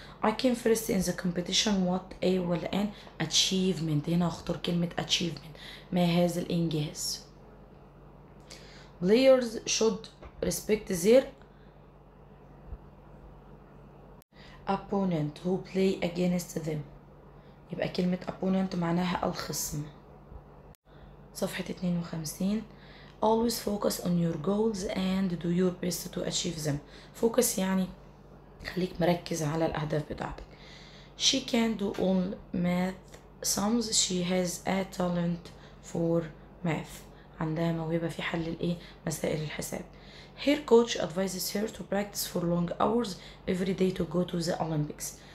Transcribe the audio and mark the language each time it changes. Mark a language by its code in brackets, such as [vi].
[en] I came first in the competition what a [ar] ولا [en] an achievement. [ar] هنا اختار كلمة achievement. ما هذا الانجاز. [en] Players should respect their opponent who play against them. [ar] يبقى كلمة opponent معناها الخصم. صفحة 52. [en] Always focus on your goals and do your best to achieve them. [ar] Focus يعني خليك مركز على الأهداف بتاعتك. [en] She can do all math sums. She has a talent for math. [ar] عندها موهبة في حل الايه مسائل الحساب. [en] Her coach advises her to practice for long hours every day to go to the Olympics.